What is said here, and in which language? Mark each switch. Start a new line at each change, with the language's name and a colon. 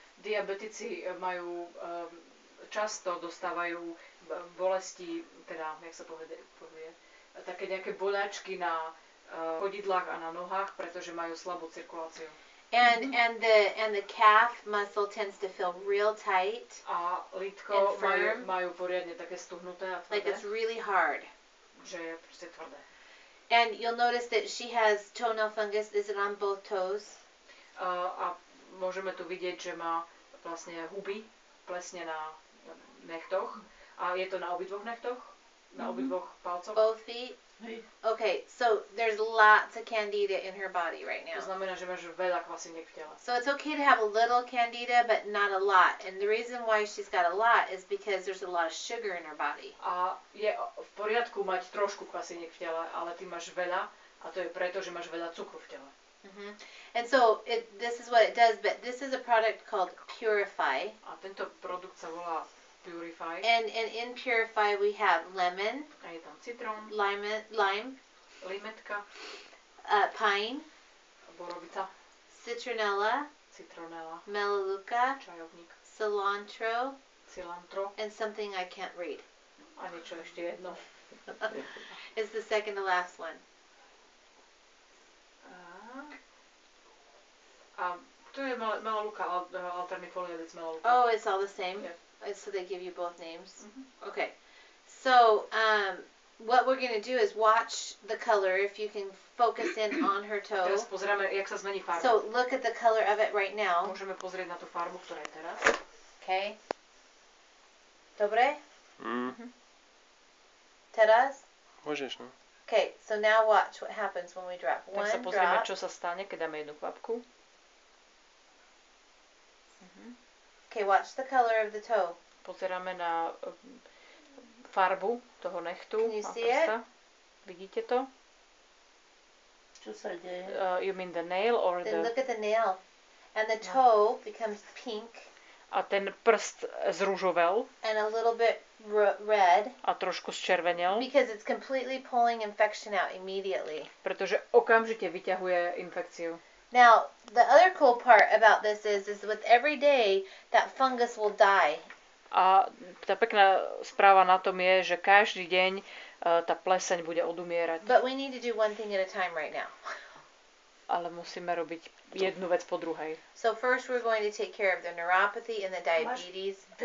Slovak: Diabetici majú často dostávajú bolesti, teda jak sa povie, také nejaké boláčky na chodidlách a na nohách, pretože majú slabú cirkuláciu.
English: And the calf muscle tends to feel real tight.
Slovak: A lítko majú poriadne také stuhnuté a tvrdé.
English: Like it's really hard.
Slovak: Že je proste tvrdé.
English: And you'll notice that she has toenail fungus. Is it on both toes?
Slovak: A môžeme tu vidieť, že má vlastne huby, plesne na nechtoch. A je to na obidvoch nechtoch? Na obidvoch palcoch?
English: Both feet? Okay, so there's lots of candida in her body right now.
Slovak: To znamená, že máš veľa kvasiniek v tele.
English: So it's okay to have a little candida, but not a lot. And the reason why she's got a lot is because there's a lot of sugar in her body.
Slovak: A je v poriadku mať trošku kvasiniek v tele, ale ty máš veľa, a to je preto, že máš veľa cukru v tele.
English: And so this is what it does, but this is a product called Purify.
Slovak: A tento produkt sa volá Purify.
English: And in Purify we have lemon.
Slovak: A je tam citrón.
English: Lime.
Slovak: Limetka.
English: Pine.
Slovak: Borovica.
English: Citronella.
Slovak: Citronella.
English: Melaleuca.
Slovak: Čajovník.
English: Cilantro.
Slovak: Cilantro.
English: And something I can't read.
Slovak: A niečo ešte jedno.
English: It's the second to last one.
Slovak: A to je Melaleuca, alternifolia vec Melaleuca.
English: Oh, it's all the same? Yeah. So they give you both names. Mm-hmm. Okay. So what we're going to do is watch the color, if you can focus in on her toe.
Slovak: Teraz pozrieme, jak sa zmení farba.
English: So look at the color of it right now.
Slovak: Môžeme pozrieť na tú farbu, ktorá je teraz.
English: Okay.
Slovak: Dobre? Mm. Teraz? Môžeš, no.
English: Okay, so now watch what happens when we drop one drop.
Slovak: Tak sa pozrieme, čo sa stane, keď dáme jednu kvapku.
English: Okay, watch the color of the toe.
Slovak: Pozeráme na farbu toho nechtu a prsta. Vidíte to? Čo sa deje?
English: You mean the nail or then the... Then look at the nail. And the toe becomes pink.
Slovak: A ten prst zružovel.
English: And a little bit red.
Slovak: A trošku zčervenel.
English: Because it's completely pulling infection out immediately.
Slovak: Pretože okamžite vyťahuje infekciu.
English: Now, the other cool part about this is with every day, that fungus will die.
Slovak: A tá pekná správa na tom je, že každý deň tá pleseň bude odumierať.
English: But we need to do one thing at a time right now.
Slovak: Ale musíme robiť jednu vec po druhej.
English: So first we're going to take care of the neuropathy and the diabetes.